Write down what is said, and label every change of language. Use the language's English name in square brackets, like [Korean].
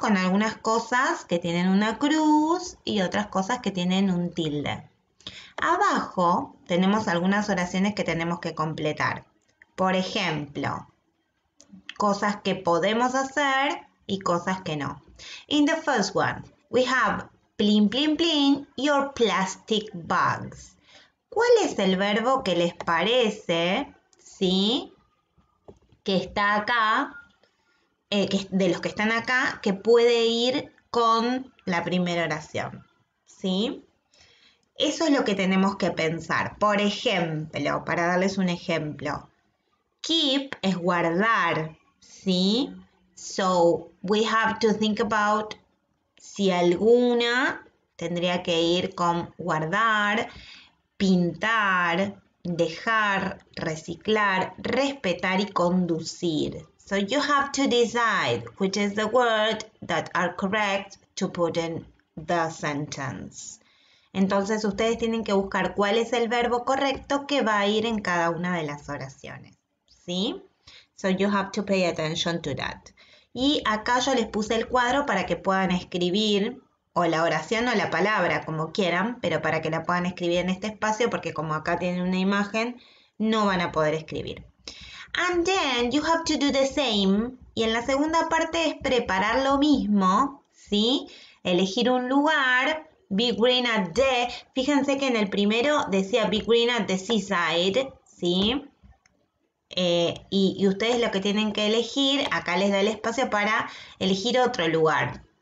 [Spanish] Con algunas cosas que tienen una cruz y otras cosas que tienen un tilde. Abajo tenemos algunas oraciones que tenemos que completar. Por ejemplo, cosas que podemos hacer y cosas que no. [English] In the first one, we have plin, plin, plin, your plastic bags. [Spanish] ¿Cuál es el verbo que les parece, sí, que está acá? De los que están acá, que puede ir con la primera oración, ¿sí? Eso es lo que tenemos que pensar. Por ejemplo, para darles un ejemplo, keep es guardar, ¿sí? [English] So, we have to think about [Spanish] si alguna tendría que ir con guardar, pintar, dejar, reciclar, respetar y conducir. [English] So you have to decide which is the word that are correct to put in the sentence. [Spanish] Entonces ustedes tienen que buscar cuál es el verbo correcto que va a ir en cada una de las oraciones. ¿Sí? [English] So you have to pay attention to that. [Spanish] Y acá yo les puse el cuadro para que puedan escribir o la oración o la palabra, como quieran, pero para que la puedan escribir en este espacio porque como acá tienen una imagen, no van a poder escribir. [English] And then you have to do the same. [Spanish] Y en la segunda parte es preparar lo mismo, ¿sí? Elegir un lugar, [English] be green at the... [Spanish] Fíjense que en el primero decía [English] be green at the seaside, [Spanish] ¿sí? Y ustedes lo que tienen que elegir, acá les da el espacio para elegir otro lugar.